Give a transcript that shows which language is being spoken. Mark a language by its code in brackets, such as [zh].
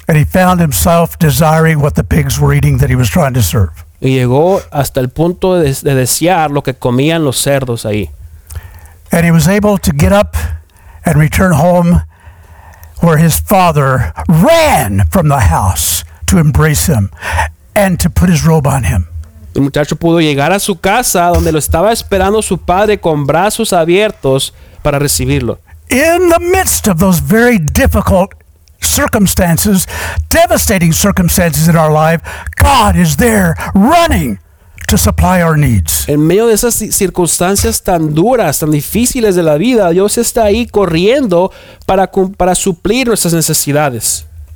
[en] And he found himself desiring what the pigs were eating that he was trying to serve. [es] Y llegó hasta el punto de desear lo que comían los cerdos ahí. [en] And he was able to get up and return home where his father ran from the house to embrace him and to put his robe on him. [es] El muchacho pudo llegar a su casa donde lo estaba esperando su padre con brazos abiertos para recibirlo. [en] In the midst of those very difficult circumstances, devastating circumstances in our life, God is there running to supply our needs. [es] En medio de esas circunstancias tan duras, tan difíciles de la vida, Dios está ahí corriendo para suplir nuestras necesidades.